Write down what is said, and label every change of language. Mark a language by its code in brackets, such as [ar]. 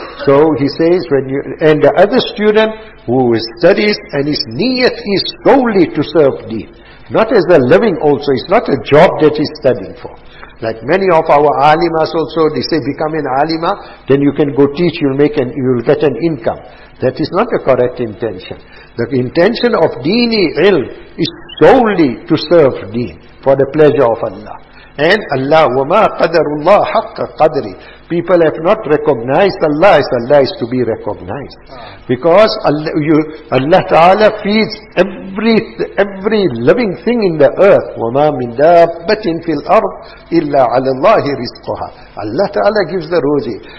[en] So he says when you, and the other student who studies and his niyat is solely to serve deen, not as a living also, it's not a job that he's studying for. Like many of our alimas also, they say become an alima, then you can go teach, you'll get an income. That is not a correct intention. The intention of deen ilm is solely to serve deen, for the pleasure of Allah. And Allah, [ar] وَمَا قَدَرُ اللَّهَ حَقَّ قَدْرِ. [en] People have not recognized Allah as Allah is to be recognized. Because Allah Ta'ala feeds every living thing in the earth. [ar] وَمَا مِنْ دَابَّةٍ فِي الْأَرْضِ إِلَّا عَلَى اللَّهِ رِزْقُهَا. [en] Allah Ta'ala gives the rozi.